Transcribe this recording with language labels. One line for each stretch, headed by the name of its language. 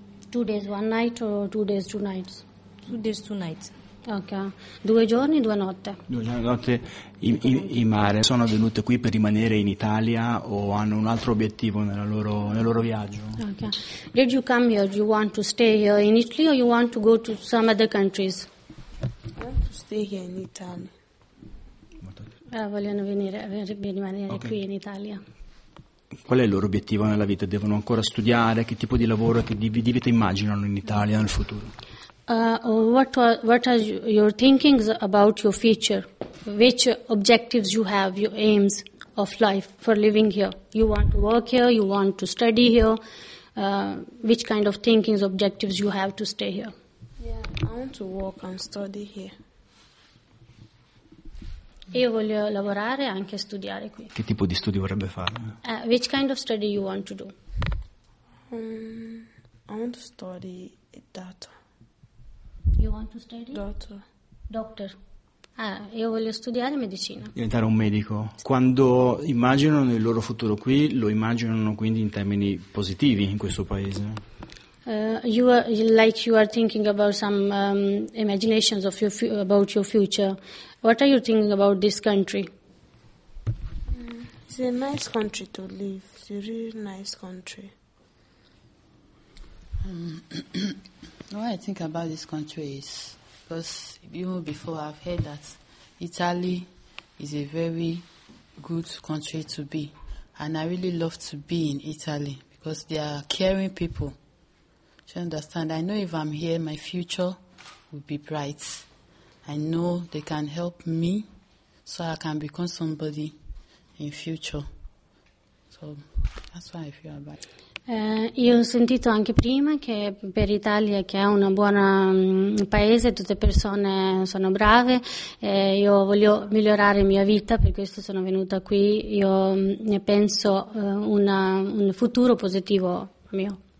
English: 2 days, one night or 2 days, two nights? 2 days, two nights.
Italian: Ok, 2 giorni, 2 notte. 2 giorni, 2 notte. I mare sono venute qui per rimanere in Italia o hanno un altro obiettivo nel loro viaggio?
English: Ok. Did you come here? Do you want to stay here in Italy or you want to go to some other countries? I want to stay here in Italy.
Italian: Vogliono venire, rimanere okay. Qui in Italia. Qual è il loro obiettivo nella vita? Devono ancora studiare? Che tipo di lavoro e che di vita immaginano in Italia nel futuro?
English: What are your thinkings about your future? Which objectives you have, your aims of life for living here? You want to work here, you want to study here. Which kind of thinkings, objectives you have to stay here? Yeah, I want to work and study here.
Italian: Io voglio lavorare e anche studiare qui. Che tipo di studi vorrebbe fare?
English: Which kind of study you want to do? I want to study data. You want to study? Doctor.
Italian: Io voglio studiare medicina. Diventare un medico. Quando immaginano il loro futuro qui, lo immaginano quindi in termini positivi in questo paese?
English: You are thinking about some imaginations of your about your future. What are you thinking about this country? It's a nice country to live. It's a really nice country. What I think about this country is, because even before I've heard that Italy is a very good country to be, and I really love to be in Italy because they are caring people. Do you understand? I know if I'm here, my future will be bright. I know they can help me so I can become somebody in future. So that's why I feel about it.
Italian: Io ho sentito anche prima che per l'Italia, che è un buon paese, tutte persone sono brave. Io voglio migliorare la mia vita, per questo sono venuta qui. Io ne penso un futuro positivo mio.